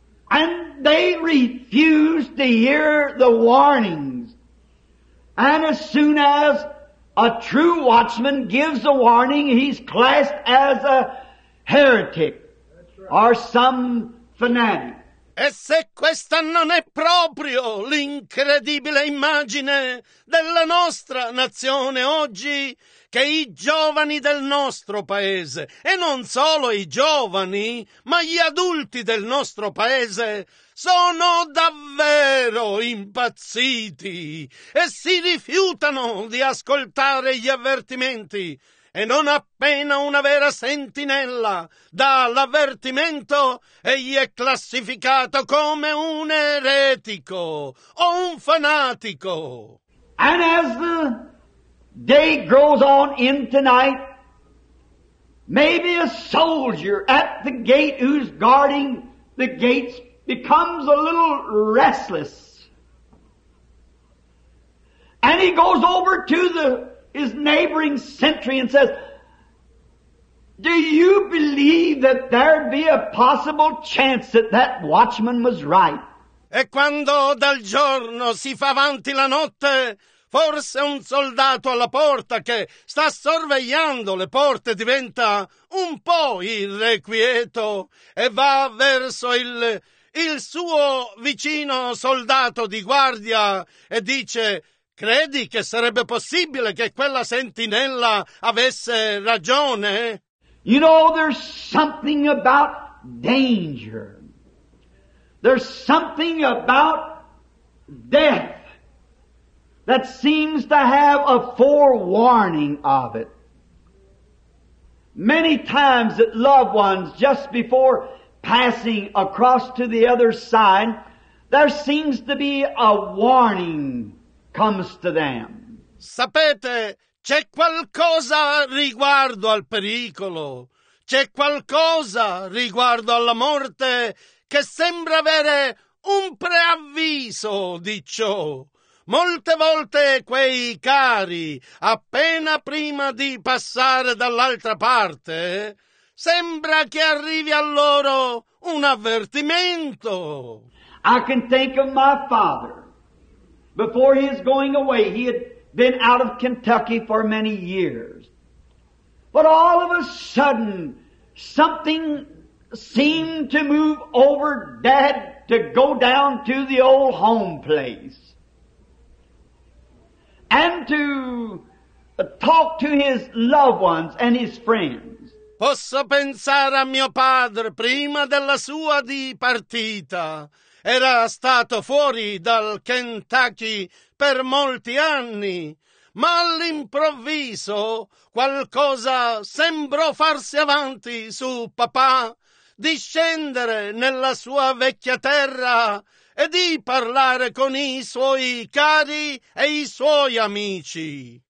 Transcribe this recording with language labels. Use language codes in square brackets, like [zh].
[en] And they refuse to hear the warnings. And as soon as a true watchman gives a warning, he's classed as a heretic. That's right. Or some fanatic. [it] E se questa non è proprio l'incredibile immagine della nostra nazione oggi, che i giovani del nostro paese, e non solo i giovani, ma gli adulti del nostro paese, sono davvero impazziti e si rifiutano di ascoltare gli avvertimenti. E non appena una vera sentinella dà l'avvertimento, egli è classificato come un eretico o un fanatico. [en] And as the day grows on in tonight, maybe a soldier at the gate who's guarding the gates becomes a little restless. And he goes over to his neighboring sentry and says, do you believe that there'd be a possible chance that that watchman was right? [it] E quando dal giorno si fa avanti la notte, forse un soldato alla porta che sta sorvegliando le porte diventa un po' irrequieto e va verso il suo vicino soldato di guardia e dice, credi che sarebbe possibile che quella sentinella avesse ragione? [en] You know, there's something about danger. There's something about death that seems to have a forewarning of it. Many times that loved ones, just before passing across to the other side, there seems to be a warning comes to them. [it] Sapete, c'è qualcosa riguardo al pericolo, c'è qualcosa riguardo alla morte che sembra avere un preavviso di ciò. Molte volte quei cari, appena prima di passare dall'altra parte, sembra che arrivi a loro un avvertimento. [en] I can think of my father. Before his going away, he had been out of Kentucky for many years. But all of a sudden, something seemed to move over Dad to go down to the old home place and to talk to his loved ones and his friends. [it] Posso pensare a mio padre prima della sua dipartita. Era stato fuori dal Kentucky per molti anni, ma all'improvviso qualcosa sembrò farsi avanti su papà di scendere nella sua vecchia terra e di parlare con i suoi cari e i suoi amici.